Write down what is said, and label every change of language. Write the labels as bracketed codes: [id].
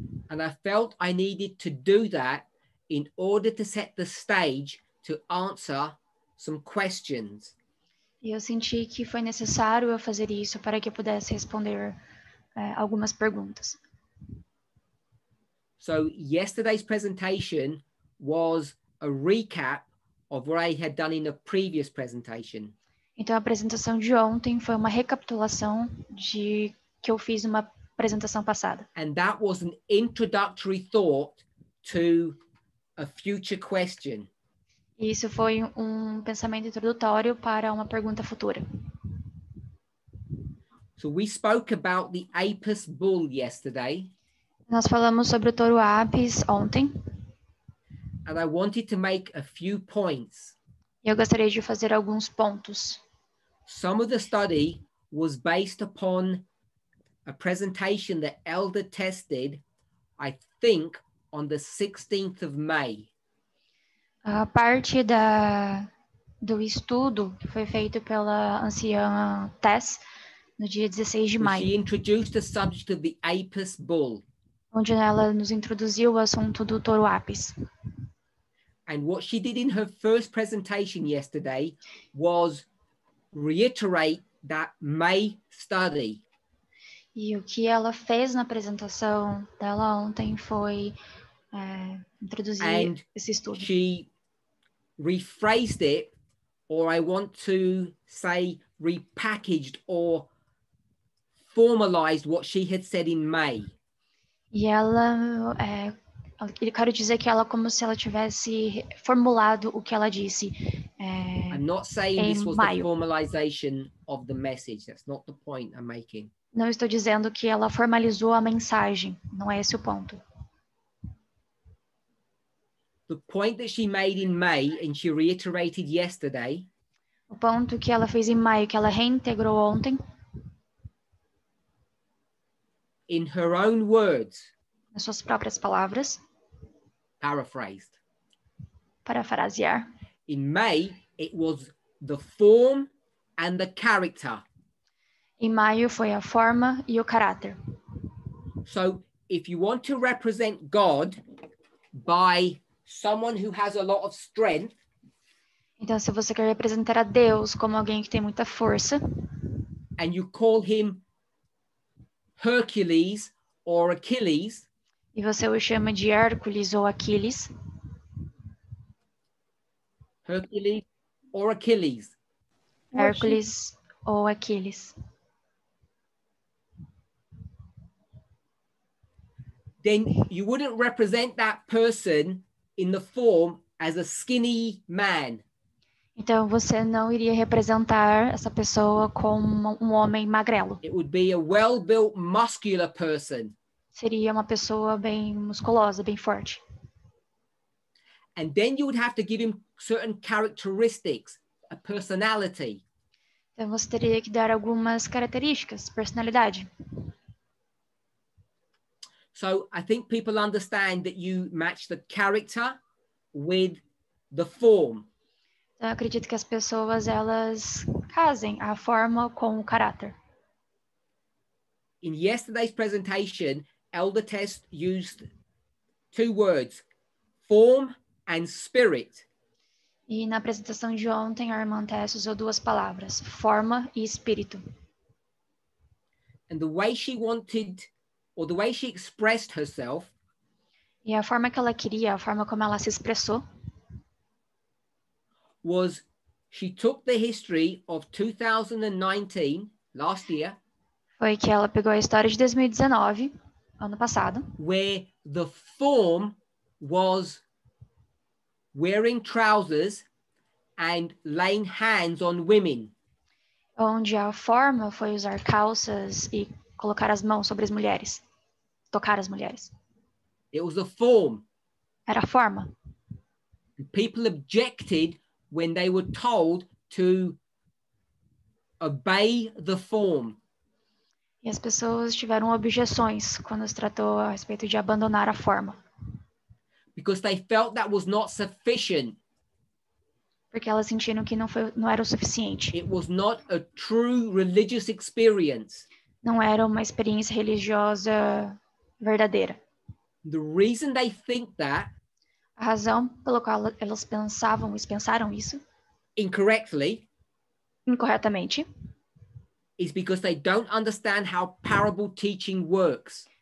[en] And I felt I needed to do that in order to set the stage to answer some questions. [pt] E eu senti que foi necessário eu fazer isso para que eu pudesse responder algumas perguntas. [en] So yesterday's presentation was a recap of what I had done in the previous presentation. [pt] Então a apresentação de ontem foi uma recapitulação de que eu fiz uma apresentação passada. [en] And that was an introductory thought to a future question. [pt] Isso foi um pensamento introdutório para uma pergunta futura. [en] So we spoke about the Apis bull yesterday. [pt] Nós falamos sobre o touro Apis ontem. [en] And I wanted to make a few points. [pt] Eu gostaria de fazer alguns pontos. [en] Some of the study was based upon a presentation that Elder tested, I think, on the 16th of May. [pt] A parte do estudo foi feito pela anciã Tess no dia 16 de maio. [en] She introduced the subject of the Apis bull. [pt] Onde ela nos introduziu o assunto do touro Apis. [en] And what she did in her first presentation yesterday was reiterate that May study. [pt] E o que ela fez na apresentação dela ontem foi introduzir [en] and [pt] esse estudo. [en] She rephrased it, or I want to say repackaged or formalized what she had said in May. [pt] E ela, eu quero dizer que ela, como se ela tivesse formulado o que ela disse em maio. [en] I'm not saying this was the formalization of the message. That's not the point I'm making. [pt] Não estou dizendo que ela formalizou a mensagem. Não é esse o ponto. [en] The point that she made in May and she reiterated yesterday. [pt] O ponto que ela fez em maio, que ela reintegrou ontem. [en] In her own words. [pt] Nas suas próprias palavras. [en] Paraphrased. [pt] Parafrasear. [en] In May, it was the form and the character. [pt] Em maio foi a forma e o caráter. [en] So, if you want to represent God by someone who has a lot of strength. [pt] Então, se você quer representar a Deus como alguém que tem muita força. [en] And you call him Hercules or Achilles. [pt] E você o chama de Hércules ou Aquiles. [en] Hercules or Achilles. [pt] Hércules ou Aquiles. [en] Then you wouldn't represent that person in the form as a skinny man. [pt] Então você não iria representar essa pessoa como um homem magrelo. [en] It would be a well-built, muscular person. [pt] Seria uma pessoa bem musculosa, bem forte. [en] And then you would have to give him certain characteristics, a personality. [pt] Então você teria que dar algumas características, personalidade. [en] So I think people understand that you match the character with the form. [pt] Então, eu acredito que as pessoas, elas casem a forma com o caráter. [en] In yesterday's presentation, Elder Test used two words, form and spirit. [pt] E na apresentação de ontem, a irmã Tess usou duas palavras, forma e espírito. [en] And the way she wanted, or the way she expressed herself. [pt] E a forma que ela queria, a forma como ela se expressou. [en] Was she took the history of 2019, last year. [pt] Foi que ela pegou a história de 2019, ano passado. [en] Where the form was wearing trousers and laying hands on women. [pt] Onde a forma foi usar calças e colocar as mãos sobre as mulheres. Tocar as mulheres. [en] It was a form. [pt] Era a forma. [en] And people objected when they were told to obey the form. [pt] E as pessoas tiveram objeções quando se tratou a respeito de abandonar a forma. [en] Because they felt that was not sufficient. [pt] Porque elas sentiram que não era o suficiente. [en] It was not a true religious experience. [pt] Não era uma experiência religiosa verdadeira. [en] The reason they think that, [pt] a razão pela qual elas pensavam e pensaram isso, [en] incorrectly, [pt] incorretamente, [en] is because they don't understand how parable teaching works.